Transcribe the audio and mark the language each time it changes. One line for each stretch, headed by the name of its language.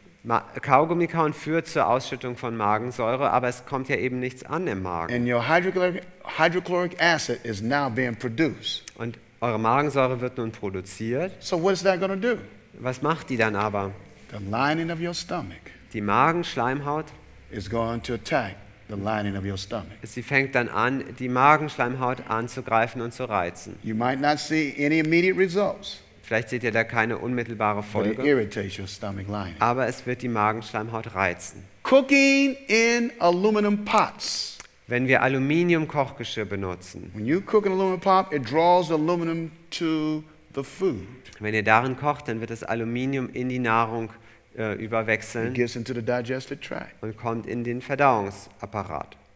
German: Kaugummi kauen führt zur Ausschüttung von Magensäure, aber es kommt ja eben nichts an im Magen.
English: And your hydrochloric acid is now being produced.
German: Und eure Magensäure wird nun produziert.
English: So what is that going to do?
German: Was macht die dann aber?
English: The lining of your stomach.
German: Die Magenschleimhaut.
English: Is going to attack the lining of your stomach.
German: Sie fängt dann an, die Magenschleimhaut anzugreifen und zu reizen.
English: You might not see any immediate results.
German: Vielleicht seht ihr da keine unmittelbare Folge.
English: But it irritates your stomach lining.
German: Aber es wird die Magenschleimhaut reizen.
English: Cooking in aluminum pots.
German: Wenn wir Aluminiumkochgeschirr benutzen.
English: When you cook in aluminum pot, it draws aluminum to the food.
German: Wenn ihr darin kocht, dann wird das Aluminium in die Nahrung überwechseln und kommt in den Verdauungsapparat.